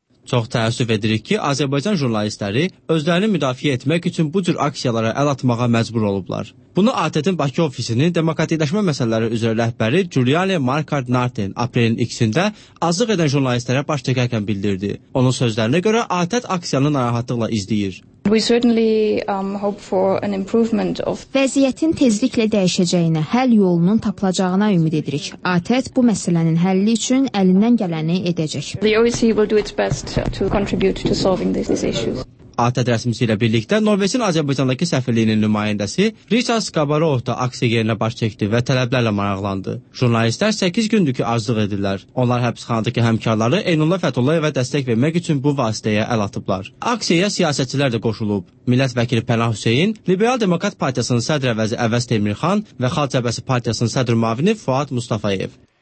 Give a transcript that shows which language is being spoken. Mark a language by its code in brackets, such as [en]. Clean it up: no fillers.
[az] Çox təəssüf edirik ki, Azərbaycan jurnalistləri özlərini müdafiə etmək üçün bu cür aksiyalara əl atmağa məcbur olublar. Bunu ATƏT-in Bakı ofisinin demokratikləşmə məsələləri üzrə rəhbəri Giuliani Markard Nartin aprelin 2-sində azıq edən jurnalistlərə baş çəkərkən bildirdi. Onun sözlərinə görə ATƏT aksiyanı narahatlıqla izləyir. [en] We certainly hope for an improvement of [az] vəziyyətin tezliklə dəyişəcəyinə, həll yolunun tapılacağına ümid edirik. ATƏT bu məsələnin həlli üçün əlindən gələni edəcək. [en] The OSCE will do its best to contribute to solving these issues. [az] ATƏT rəsmisi ilə birlikdə Norveçin Azərbaycandakı səfirliyinin nümayəndəsi Richard Skabarov da aksiya yerinə baş çəkdi və tələblərlə maraqlandı. Jurnalistlər 8 gündür ki, aclıq edirlər. Onlar həbsxanadakı həmkarları Eynulla Fətullayevə dəstək vermək üçün bu vasitəyə əl atıblar. Aksiyaya siyasətçilər də qoşulub. Millət vəkili Pənah Hüseyn, Liberal Demokrat Partiyasının sədri əvəzi Əvəz Temirxan və Xalq Cəbhəsi Partiyasının sədri müavini Fuad Mustafayev.